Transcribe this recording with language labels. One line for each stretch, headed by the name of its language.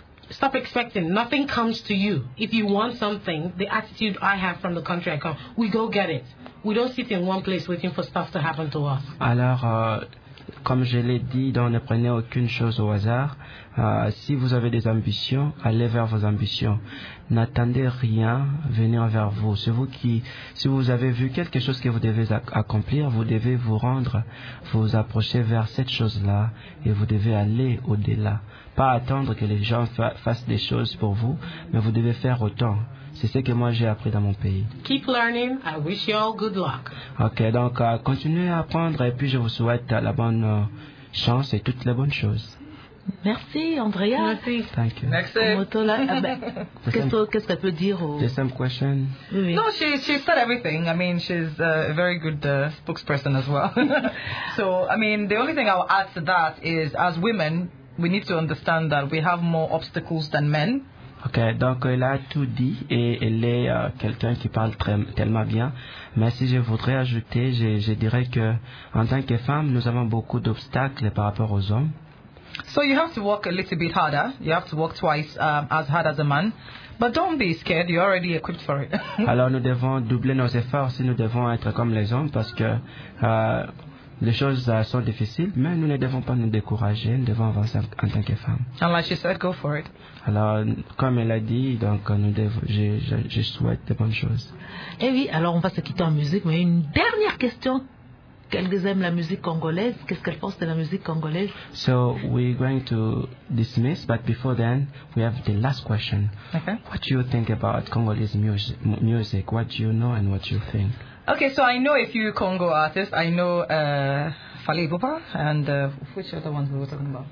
English: Stop expecting. Nothing comes to you. If you want something, the attitude I have from the country I come, we go get it. We don't sit in one place waiting for stuff to happen to us.
French: Alors, comme je l'ai dit, donc ne prenez aucune chose au hasard. Si vous avez des ambitions, allez vers vos ambitions. N'attendez rien venir vers vous. C'est vous qui, si vous avez vu quelque chose que vous devez accomplir, vous devez vous rendre, vous approcher vers cette chose-là et vous devez aller au-delà. Pas attendre que les gens fassent des choses pour vous, mais vous devez faire autant. C'est ce que moi j'ai appris dans mon pays.
English: Keep learning. I wish you all good luck.
French: Ok, donc continuez à apprendre et puis je vous souhaite la bonne chance et toutes les bonnes choses. Merci, Andrea. Merci.
English: Thank you.
French: Merci. Motola, qu'est-ce qu'elle peut dire au...
English: The same question. Oui. No, she said everything. I mean, she's a very good spokesperson as well. So, I mean, the only thing I will add to that is, as women, we need to understand that we have more obstacles than men.
French: Ok, donc elle a tout dit et elle est quelqu'un qui parle tellement bien. Mais si je voudrais ajouter, je dirais que en tant que femme, nous avons beaucoup d'obstacles par rapport aux hommes.
English: So you have to work a little bit harder. You have to work twice as hard as a man. But don't be scared. You're already equipped for it.
French: Alors nous devons doubler nos efforts si nous devons être comme les hommes parce que les choses sont difficiles, mais nous ne devons pas nous décourager, nous devons avancer en tant que femme.
English: And like she said, go for it.
French: Alors, comme elle a dit, donc, je souhaite de bonnes choses. Eh oui, alors on va se quitter en musique, mais une dernière question. Qu'elles aiment la musique congolaise? Qu'est-ce qu'elles pensent de la musique congolaise?
English: So, we're going to dismiss, but before then, we have the last question. Okay. What do you think about Congolese music? What do you know and what do you think? Okay, so I know a few Congo artists. I know Fally Ipupa and which other ones we were talking about?